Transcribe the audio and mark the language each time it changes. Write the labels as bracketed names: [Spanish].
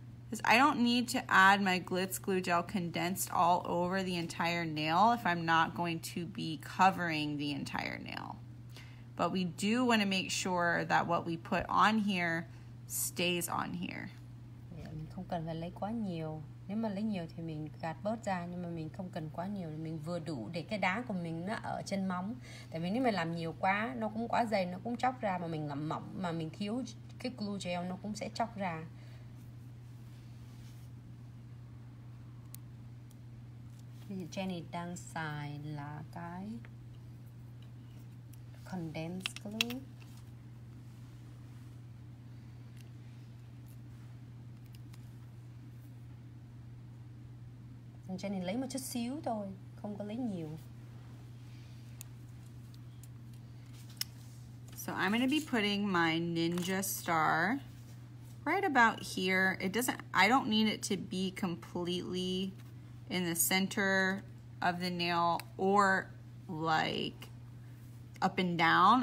[English] Because I don't need to add my Glitz glue gel condensed all over the entire nail if I'm not going to be covering the entire nail. But we do want to make sure that what we put on here stays on here. [Vietnamese] Yeah, mình không cần phải lấy quá nhiều. Nếu mà lấy nhiều thì mình gạt bớt ra, nhưng mà mình không cần quá nhiều, mình vừa đủ để cái đá của mình nó ở trên móng. Tại vì nếu mà làm nhiều quá, nó cũng quá dày, nó cũng chóc ra, mà mình làm mỏng mà mình thiếu cái glue gel nó cũng sẽ chóc ra. Jenny đang xài là cái condensed glue. Jenny lấy một chút xíu thôi, không có lấy nhiều. [English] So I'm going to be putting my ninja star right about here. I don't need it to be completely in the center of the nail or like up and down.